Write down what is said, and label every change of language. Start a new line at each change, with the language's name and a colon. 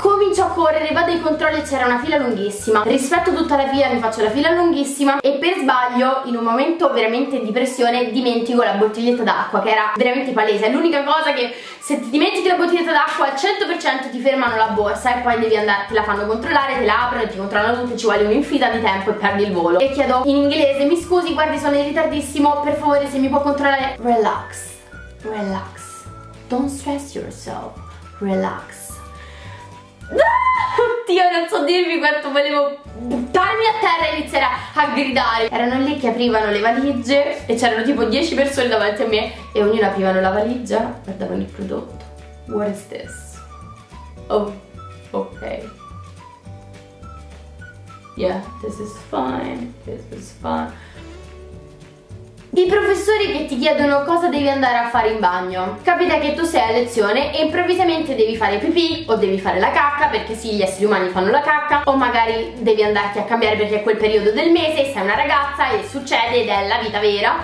Italian: Comincio a correre, vado ai controlli e c'era una fila lunghissima. Rispetto tutta la fila, mi faccio la fila lunghissima e per sbaglio, in un momento veramente di pressione, dimentico la bottiglietta d'acqua, che era veramente palese. È l'unica cosa che, se ti dimentichi la bottiglietta d'acqua, al 100% ti fermano la borsa e poi devi andare, te la fanno controllare, te la aprono e ti controllano tutto, ci vuole un'infinità di tempo. Perdi il volo e chiedo in inglese: mi scusi, guardi, sono in ritardissimo, per favore se mi può controllare.
English: Relax, relax, don't stress yourself, relax.
Italian: Oddio, non so dirvi quanto volevo buttarmi a terra e iniziare a gridare. Erano lì che aprivano le valigie e c'erano tipo 10 persone davanti a me, e ognuno aprivano la valigia, guardavano il prodotto.
English: What is this? Oh, ok. Yeah, this is fine, this is fine.
Italian: I professori che ti chiedono cosa devi andare a fare in bagno. Capita che tu sei a lezione e improvvisamente devi fare pipì o devi fare la cacca, perché sì, gli esseri umani fanno la cacca, o magari devi andarti a cambiare perché è quel periodo del mese, sei una ragazza e succede ed è la vita vera.